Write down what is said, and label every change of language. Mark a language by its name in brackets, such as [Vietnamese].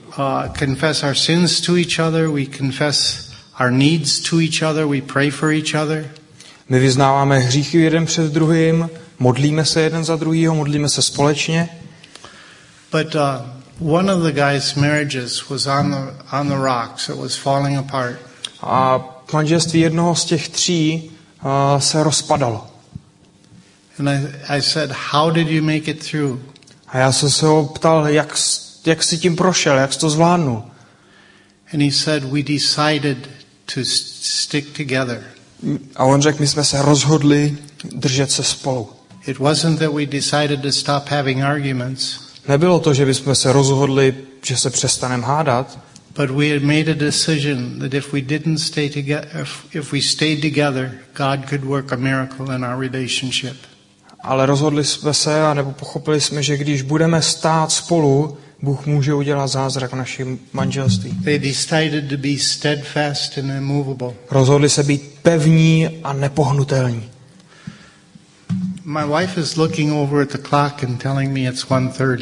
[English] confess our sins to each other, we confess our needs to each other, we pray for each other. [Czech] My vyznáváme hříchy jeden před druhým, modlíme se jeden za druhýho, modlíme se společně. [English] One of the guys' marriages was on the rocks. It was falling apart. [Czech] A manželství jednoho z těch tří se rozpadalo. [English] And I said, how did you make it through? [Czech] A já jsem se ho ptal, jak si tím prošel, jak jsi to zvládnul. [English] And he said, we decided to stick together. [Czech] A on řekl, my jsme se rozhodli držet se spolu. [English] It wasn't that we decided to stop having arguments. [Czech] Nebylo to, že bychom se rozhodli, že se přestaneme hádat. [English] But we had made a decision that if we didn't stay together, if we stayed together, God could work a miracle in our relationship. [Czech] Ale rozhodli jsme se, nebo pochopili jsme, že když budeme stát spolu, Bůh může udělat zázrak v našem manželství. [English] They decided to be steadfast and immovable. [Czech] Rozhodli se být pevní a nepohnutelní. [English] My wife is looking over at the clock and telling me it's 1:30.